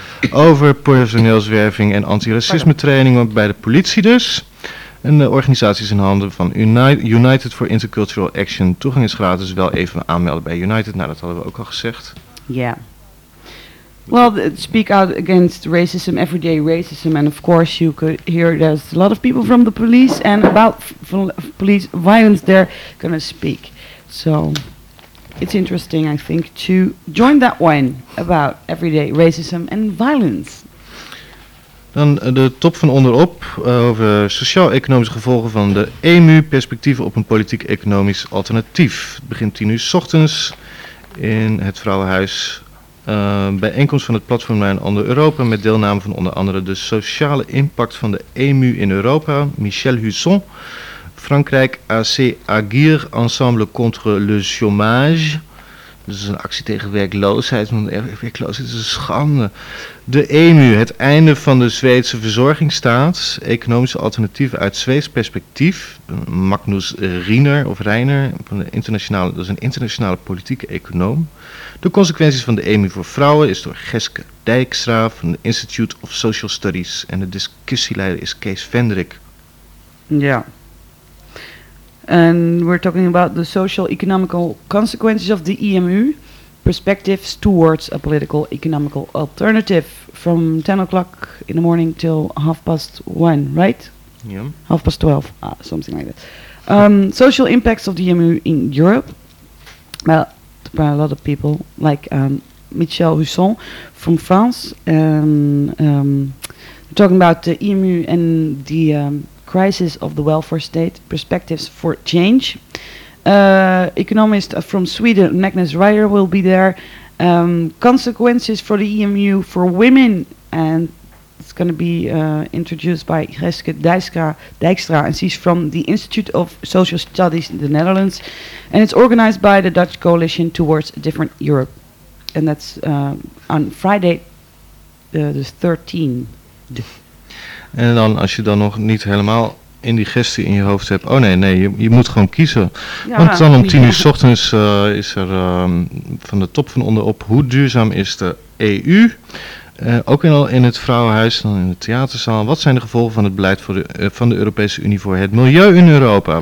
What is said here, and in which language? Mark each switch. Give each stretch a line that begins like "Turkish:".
Dutch: Over personeelswerving en antiracisme training bij de politie dus. En de organisatie is in handen van United for Intercultural Action. Toegang is gratis, wel even aanmelden bij United. Nou, dat hadden we ook al gezegd.
English: Ja. Yeah. Well, speak out against racism, everyday racism. And of course you could hear there's a lot of people from the police. And about police violence, they're going to speak. So it's interesting, I think, to join that one about everyday racism and violence.
Dutch: Dan de top van onderop over sociaal-economische gevolgen van de EMU, perspectieven op een politiek-economisch alternatief. Het begint 10:00 ochtends in het Vrouwenhuis. Bijeenkomst van het platform Mijn Ander Europa met deelname van onder andere de sociale impact van de EMU in Europa, Michel Husson, Frankrijk AC Agir, Ensemble contre le chômage. Dus een actie tegen werkloosheid, want werkloosheid is een schande. De EMU, het einde van de Zweedse verzorgingsstaat, economische alternatieven uit Zweeds perspectief. Magnus Riener of Reiner, van de internationale, dat is een internationale politieke econoom. De consequenties van de EMU voor vrouwen is door Geske Dijkstra van de Institute of Social Studies. En de discussieleider is Kees Vendrik. Ja.
English: And we're talking about the social economical consequences of the EMU, perspectives towards a political economical alternative from 10 o'clock in the morning till 1:30, right? Yeah. 12:30, something like that. Social impacts of the EMU in Europe. Well, by a lot of people like Michel Husson from France. We're talking about the EMU and the crisis of the welfare state, perspectives for change. Economist from Sweden, Magnus Ryder, will be there. Consequences for the EMU for women, and it's going to be introduced by Geske Dijkstra, and she's from the Institute of Social Studies in the Netherlands, and it's organized by the Dutch Coalition Towards a Different Europe, and that's on Friday the 13th.
Dutch: En dan, als je dan nog niet helemaal indigestie in je hoofd hebt, oh nee, je moet gewoon kiezen. Ja, want dan om 10:00 ochtends is er van de top van onderop, hoe duurzaam is de EU? Ook al in het Vrouwenhuis, dan in de theaterzaal. Wat zijn de gevolgen van het beleid van de Europese Unie voor het milieu in Europa?